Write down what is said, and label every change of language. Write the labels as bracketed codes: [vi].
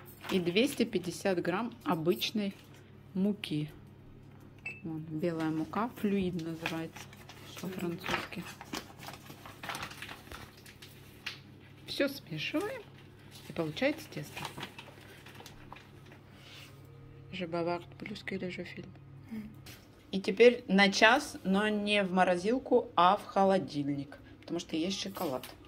[ru] И 250 грамм обычной муки. Вон, белая мука, флюид называется по-французски. Все смешиваем, и получается тесто. [fr] Je bavarde plus que le film. [ru] И теперь на час, но не в морозилку, а в холодильник, потому что есть шоколад.